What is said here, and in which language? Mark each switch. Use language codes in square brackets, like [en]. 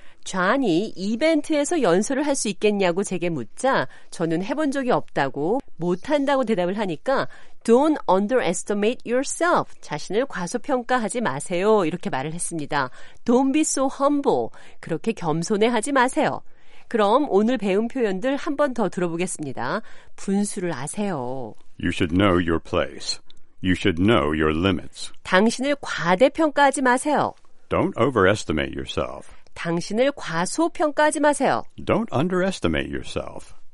[ko] 존이 이벤트에서 연설을 할 수 있겠냐고 제게 묻자 저는 해본 적이 없다고 못한다고 대답을 하니까 [en] Don't underestimate yourself. [ko] 자신을 과소평가하지 마세요. 이렇게 말을 했습니다. [en] Don't be so humble. [ko] 그렇게 겸손해하지 마세요. 그럼 오늘 배운 표현들 한 번 더 들어보겠습니다. 분수를 아세요. [en] You should know your place. You should know your limits. [ko] 당신을 과대평가하지 마세요. [en] Don't overestimate yourself. [ko] 당신을 과소평가하지 마세요. [en] Don't underestimate yourself.